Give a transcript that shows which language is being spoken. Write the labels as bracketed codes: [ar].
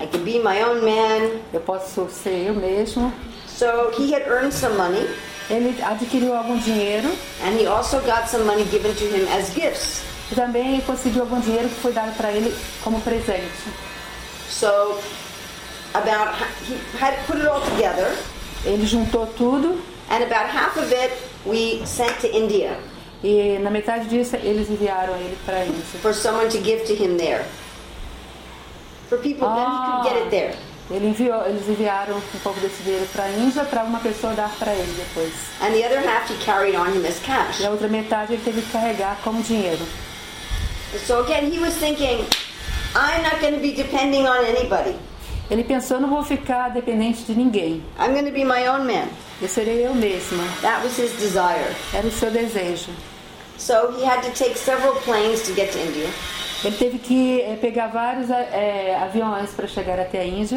[en] I can be my own man. [pt] Eu posso ser eu mesmo. [en] So he had earned some money. [pt] Ele adquiriu algum dinheiro. [en] And he also got some money given to him as gifts. [pt] E também conseguiu algum dinheiro que foi dado para ele como presente. [en] So about he had put it all together. [pt] Ele juntou tudo. [en] And about half of it we sent to India. [pt] E na metade disso eles enviaram ele para a Índia. [en] For someone to give to him there. For people then he could get it there. [pt] Eles enviaram um pouco desse dinheiro para a Índia para uma pessoa dar para ele depois. [en] And the other half he carried on him as cash. [pt] E a outra metade ele teve que carregar como dinheiro. [en] So again he was thinking, I'm not going to be depending on anybody. [pt] Ele pensou, não vou ficar dependente de ninguém. [en] I'm going to be my own man. [pt] Eu serei eu mesma. [en] That was his desire. [pt] Era o seu desejo. [en] So he had to take several planes to get to India. [pt] Ele teve que pegar vários aviões para chegar até a Índia.